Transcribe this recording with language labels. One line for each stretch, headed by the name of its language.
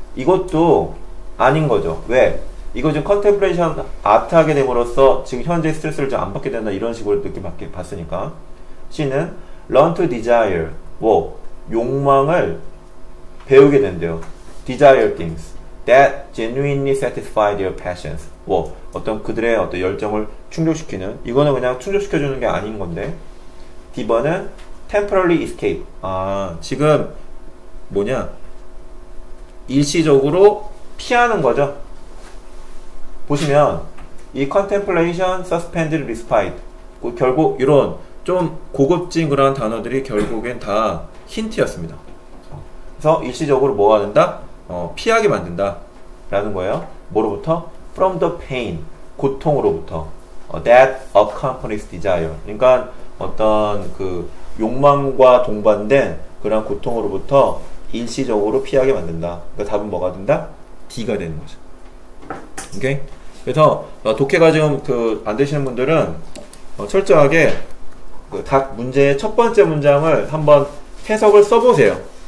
Korean: 이것도 아닌 거죠. 왜? 이거 지금 컨템플레이션 아트하게 됨으로써 지금 현재 스트레스를 좀 안 받게 된다 이런 식으로 느낌받게 봤으니까. C는
English: learn to desire,
Korean: 뭐 욕망을 배우게 된대요.
English: desire things that genuinely satisfy their passions.
Korean: 뭐 어떤 그들의 어떤 열정을 충족시키는, 이거는 그냥 충족시켜주는 게 아닌 건데. D번은
English: temporarily escape.
Korean: 아, 지금 뭐냐, 일시적으로 피하는 거죠. 보시면 이 contemplation, suspended respite, 결국 이런 좀 고급진 그런 단어들이 결국엔 다 힌트였습니다. 그래서 일시적으로 뭐가 된다? 피하게 만든다 라는 거예요. 뭐로부터?
English: From the pain,
Korean: 고통으로부터.
English: That accompanies desire.
Korean: 그러니까 어떤 그 욕망과 동반된 그런 고통으로부터 일시적으로 피하게 만든다. 그러니까 답은 뭐가 된다? D가 되는 거죠. 오케이? 그래서 독해가 지금 그 안 되시는 분들은 철저하게 그 답 문제의 첫 번째 문장을 한번 해석을 써보세요.